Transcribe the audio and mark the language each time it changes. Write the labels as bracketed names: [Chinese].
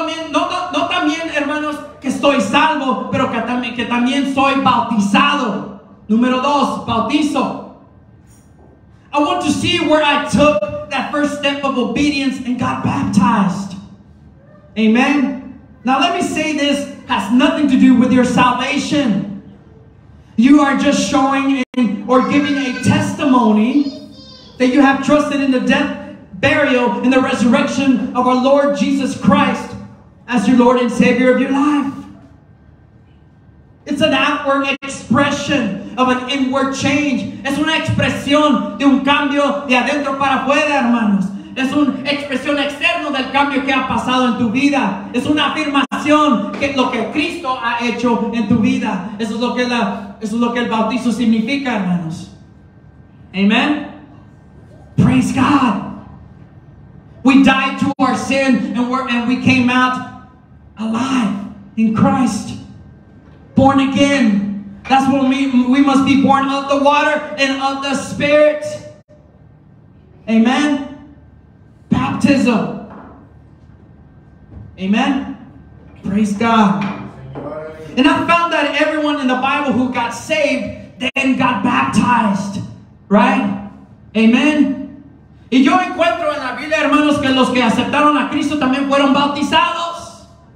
[Spanish] No, también, hermanos, que estoy salvo, pero que también soy bautizado. Número dos, bautizo. [English] I want to see where I took that first step of obedience and got baptized. Amen. Now let me say this has nothing to do with your salvation. You are just showing or giving a testimony that you have trusted in the death, burial, and the resurrection of our Lord Jesus Christ. as your Lord and Savior of your life. It's an outward expression of an inward change. [Spanish] Es una expresión de un cambio de adentro para afuera, hermanos. Es una expresión externa del cambio que ha pasado en tu vida. Es una afirmación que lo que Cristo ha hecho en tu vida. Eso es lo que la, eso es lo que el bautizo significa, hermanos. [English] Amen. Praise God. We died to our sin and we came out alive in Christ. Born again. That's what we must be born of the water and of the Spirit. Amen. Baptism. Amen. Praise God. And I found that everyone in the Bible who got saved then got baptized. Right? Amen. [Spanish] Y yo encuentro en la Biblia, hermanos, que los que aceptaron a Cristo también fueron bautizados.